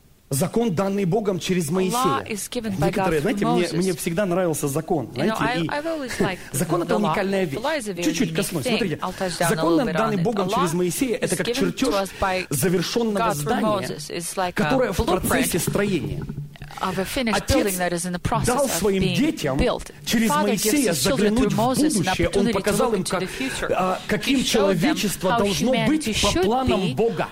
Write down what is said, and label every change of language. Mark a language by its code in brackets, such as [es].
[ru] Закон, данный Богом через Моисея. Некоторые, знаете, мне всегда нравился закон. Знаете, [en] you know, [ru] закон — это уникальная вещь. Чуть-чуть коснусь. Смотрите, закон, данный Богом через Моисея, это как чертеж завершенного здания, которое в процессе строения. [en] Of a finished building that is in the process of being built. [ru] Через Моисея заглянуть в будущее, он показал им, каким человечество должно быть по планам Бога.